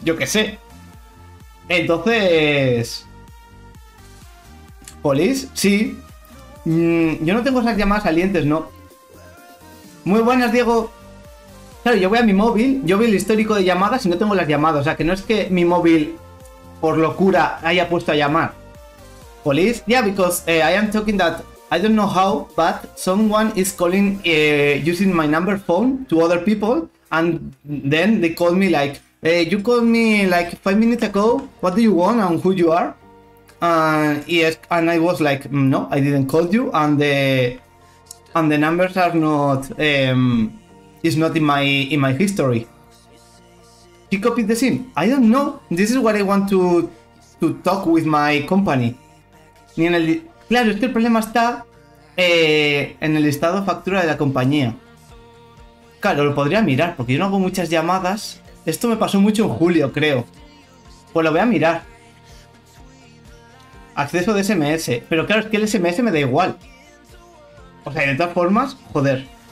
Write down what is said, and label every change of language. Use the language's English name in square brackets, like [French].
[Spanish] Yo qué sé. Entonces... ¿Polis? Sí. Yo no tengo esas llamadas salientes, ¿no? Muy buenas, Diego. Claro, yo voy a mi móvil, yo veo el histórico de llamadas y no tengo las llamadas. O sea, que no es que mi móvil, por locura, haya puesto a llamar. [English] ¿Police? Yeah, because I am talking that I don't know how, but someone is calling using my number phone to other people and then they call me like, you called me like 5 minutes ago, what do you want and who you are? And I was like, no, I didn't call you and the numbers are not... It's not in my history. He copied the SIM. I don't know. This is what I want to talk with my company. [Spanish] Ni en el claro, es que el problema está en el estado de factura de la compañía. Claro, lo podría mirar porque yo no hago muchas llamadas. Esto me pasó mucho en julio, creo. Pues lo voy a mirar. Acceso de SMS. Pero claro, es que el SMS me da igual. O sea, de todas formas, joder.